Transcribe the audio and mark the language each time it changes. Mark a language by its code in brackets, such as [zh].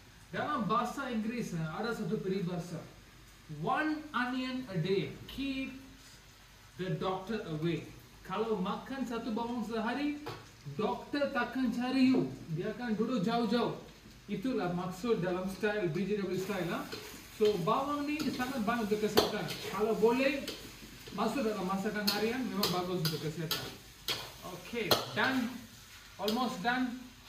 [ms] Dalam bahasa Inggeris ada satu peribahasa. [en] One onion a day keeps the doctor away. [ms] Kalau makan satu bawang sehari, doktor takkan cari you. Dia akan duduk jauh-jauh. Itulah maksud dalam style BJW style. So bawang ni sangat baik untuk kesihatan. Kalau boleh masuk dalam masakan harian, memang bagus untuk kesihatan. [en] Okay, done. Almost done.